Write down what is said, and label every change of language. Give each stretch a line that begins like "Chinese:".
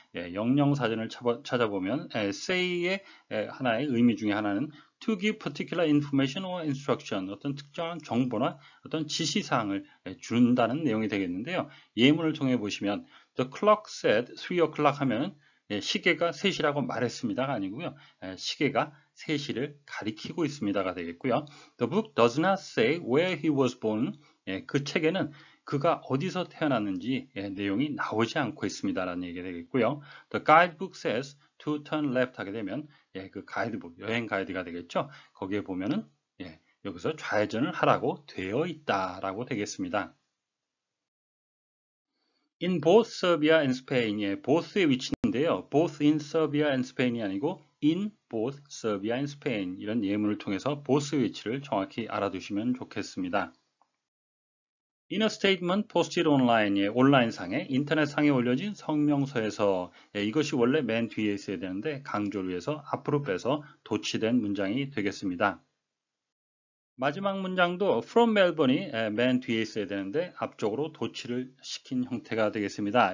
Korean: 예, 영영사전을 찾아보면 예, say의 예, 하나의 의미 중에 하나는
English: to give particular information or instruction,
Korean: 어떤 특정한 정보나 어떤 지시사항을 예, 준다는 내용이 되겠는데요. 예문을 통해 보시면
English: the clock said 3 o'clock
Korean: 하면 예, 시계가 3시라고 말했습니다가 아니고요. 예, 시계가 3시를 가리키고 있습니다가 되겠고요.
English: The book does not say where he was born.
Korean: 예, 그 책에는 그가 어디서 태어났는지 예, 내용이 나오지 않고 있습니다라는 얘기가 되겠고요.
English: The guidebook says to turn left
Korean: 하게 되면 예, 그 가이드북, 여행 가이드가 되겠죠. 거기에 보면은 예, 여기서 좌회전을 하라고 되어 있다라고 되겠습니다.
English: In both Serbia and Spain, 예, both의 위치인데요. Both in Serbia and Spain이 아니고 in both Serbia and Spain
Korean: 이런 예문을 통해서 both의 위치를 정확히 알아두시면 좋겠습니다.
English: In a statement posted online,
Korean: 예, 온라인상에, 인터넷상에 올려진 성명서에서 예, 이것이 원래 맨 뒤에 있어야 되는데 강조를 위해서 앞으로 빼서 도치된 문장이 되겠습니다. 마지막 문장도 from Melbourne이 맨 뒤에 있어야 되는데 앞쪽으로 도치를 시킨 형태가 되겠습니다.